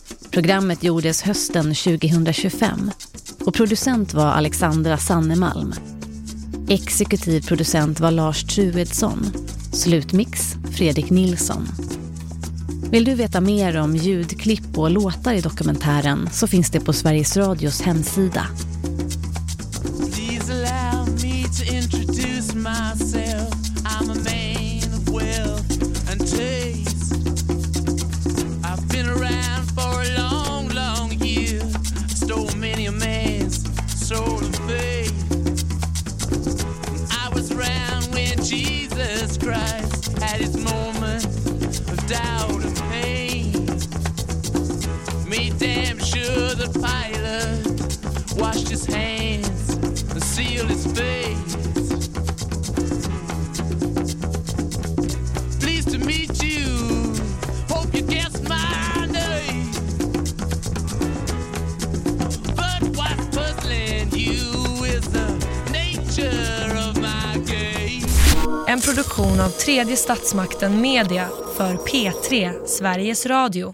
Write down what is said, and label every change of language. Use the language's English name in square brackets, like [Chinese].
[Swedish] Programmet gjordes hösten 2025 och producent var Alexandra Sannemalm. Exekutiv producent var Lars Truedsson. Slutmix, Fredrik Nilsson. Vill du veta mer om ljudklipp och låtar i dokumentären så finns det på Sveriges Radios hemsida. [English] Please allow me to introduce myself. I'm a man of wealth and taste. I've been around for a long, long year. Stole many a man's soul and faith. I was around when Jesus Christ had his moment of doubt and pain. Made damn sure the pilot washed his hands and sealed his fate. Pleased to meet you, hope you guessed my name. But what's puzzling you is the nature of my game. [Swedish] En produktion av Tredje Statsmakten Media för P3 Sveriges Radio.